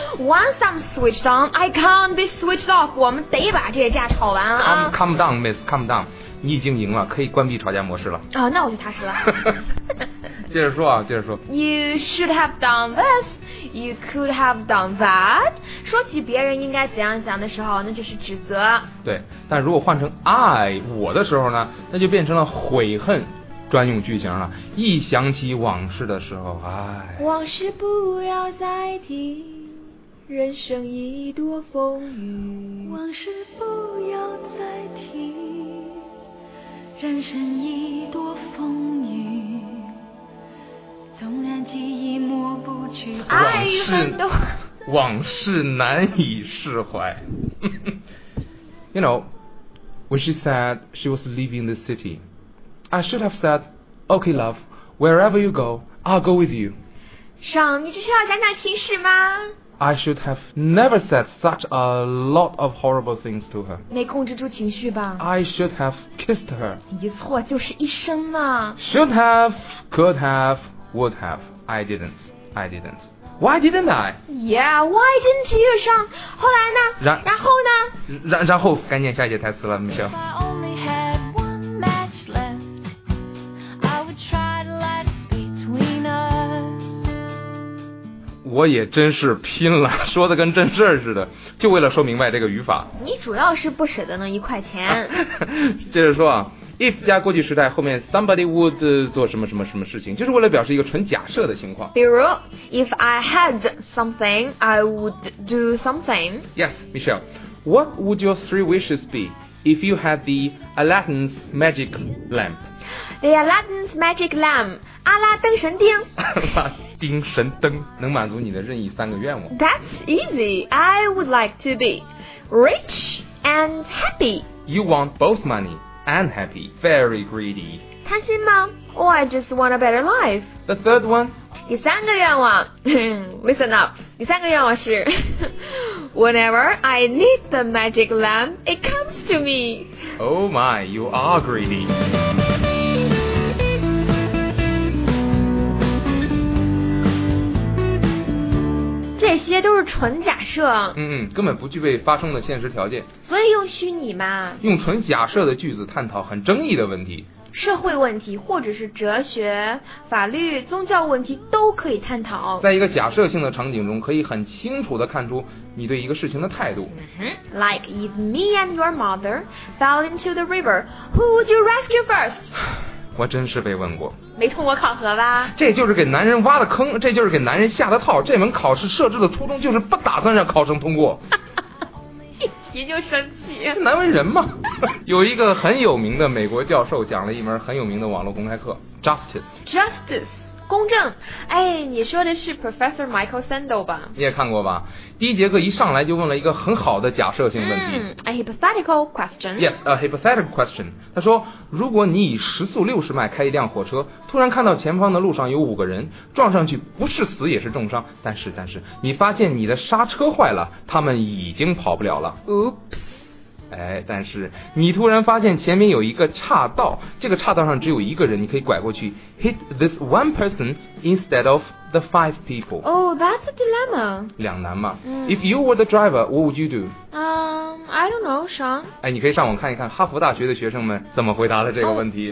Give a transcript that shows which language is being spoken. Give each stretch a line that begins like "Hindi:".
English: Once I'm switched on, I can't be switched off.
Chinese: 我们得把这架吵完了啊。
English: Calm down, miss, calm down.
Chinese: 你已经赢了，可以关闭吵架模式了。那我就踏实了。接着说。
English: You should have done this. You could have done that.
Chinese: 说起别人应该怎样想的时候，那就是指责。对，但如果换成 I 我的时候呢，那就变成了悔恨专用句型了。一想起往事的时候，哎。往事不要再提，人生一多风雨。往事不要再提，人生一多风雨。纵然记忆抹不去，往事往事难以释怀。
English: You know, when she said she was leaving the city, I should have said, "Okay, love, wherever you go, I'll go with you."
Chinese: 上，你这是要讲讲情史吗？
English: I should have never said such a lot of horrible things to her.
Chinese: 没控制住情绪吧？
English: I should have kissed her.
Chinese: 一错就是一生嘛。
English: Should have, could have. Would have. I didn't. Why didn't I? Yeah, why didn't you?
Chinese: 上后来呢？然后赶紧下一节台词了 Michelle.
English: If I only had one match left, I would try to light it between us.
Chinese: 我也真是拼了，说的跟真事儿似的，就为了说明白这个语法。你主要是不舍得那一块钱。接着说啊。If 加过去时态后面
English: somebody would
Chinese: 做什么什么什么事情，就是为了表示一个纯假设的情况。
English: 比如 If I had something, I would do something. Yes, Michelle. What would your three wishes be if you had the Aladdin's magic lamp? The Aladdin's magic lamp.
Chinese: 阿拉丁神灯。阿拉丁神灯能满足你的任意三个愿望。
English: That's easy. I would like to be rich and happy. You want both money. And happy, very greedy.
Chinese: 贪心吗？
English: Oh, I just want a better life. The third one?
Chinese: 第三个愿望
English: Listen up.
Chinese: 第三个愿望是
English: Whenever I need the magic lamp, it comes to me. Oh my, you are greedy.
Chinese: 这些都是纯假设。根本不具备发生的现实条件，所以用虚拟嘛，用纯假设的句子探讨很争议的问题。社会问题，或者是哲学、法律、宗教问题都可以探讨。在一个假设性的场景中，可以很清楚地看出你对一个事情的态度。
English: Like if me and your mother fell into the river, who would you rescue first?
Chinese: 我真是被问过，没通过考核吧？这就是给男人挖的坑，这就是给男人下的套。这门考试设置的初衷就是不打算让考生通过。一提就生气，难为人吗？有一个很有名的美国教授讲了一门很有名的网络公开课 Justice 公正。哎，你说的是 Professor Michael Sandel 吧？你也看过吧？第一节课一上来就问了一个很好的假设性问题、
English: A hypothetical question. Yes, a hypothetical question.
Chinese: 他说，如果你以时速60迈开一辆火车，突然看到前方的路上有5个人撞上去，不是死也是重伤，但是你发现你的刹车坏了，他们已经跑不了了。
English: Oops.
Chinese: 哎，但是你突然发现前面有一个岔道，这个岔道上只有一个人，你可以拐过去
English: hit this one person instead of the 5 people. Oh, that's a dilemma.
Chinese: 两难嘛。
English: If you were the driver, what would you do? I don't know, Sean.
Chinese: 哎，你可以上网看一看哈佛大学的学生们怎么回答的这个问题。